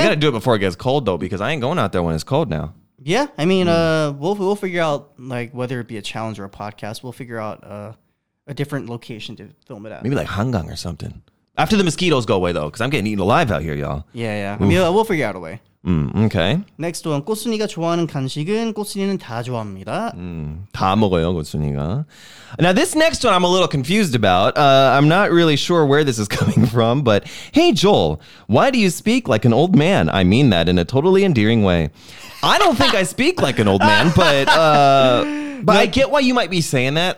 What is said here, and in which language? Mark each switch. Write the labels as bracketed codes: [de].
[en] You gotta do it before it gets cold though, because I ain't going out there when it's cold now. Yeah, I mean, we'll figure out like whether it be a challenge or a podcast, we'll figure out a different location to film it at. Maybe like Hangang or something. After the mosquitoes go away though, because I'm getting eaten alive out here, y'all. Yeah, yeah. Oof. I mean, we'll figure out a way. Okay. Next one. [ko] 꽃순이가 좋아하는 간식은 꽃순이는 다 좋아합니다. 다 먹어요, 꽃순이가. [en] Now, this next one I'm a little confused about. I'm not really sure where this is coming from, but hey, Joel, why do you speak like an old man? I mean that in a totally endearing way. I don't think I speak like an old man, but I get why you might be saying that.